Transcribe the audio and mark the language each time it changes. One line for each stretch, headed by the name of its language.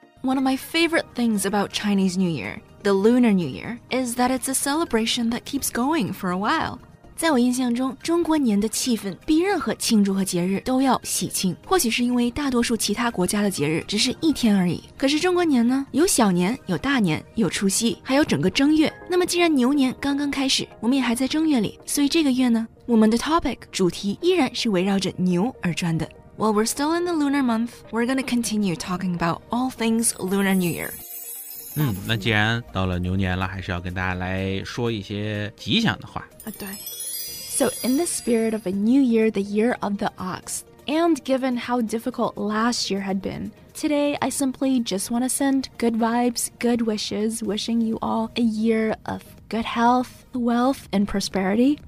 English: One of my favorite things about Chinese New Year, the Lunar New Year, is that it's a celebration that keeps going for a while.
Chinese: 在我印象中，中国年的气氛比任何庆祝和节日都要喜庆。或许是因为大多数其他国家的节日只是一天而已。可是中国年呢，有小年，有大年，有除夕，还有整个正月。那么既然牛年刚刚开始，我们也还在正月里，所以这个月呢，我们的 topic 主题依然是围绕着牛而转的。
English: Well, we're still in the lunar month. We're going to continue talking about all things Lunar New Year.
Chinese: 那既然到了牛年了，还是要跟大家来说一些吉祥的话。对。
English: So in the spirit of a new year, the year of the ox, and given how difficult last year had been, today I simply just want to send good vibes, good wishes, wishing you all a year of good health, wealth, and prosperity.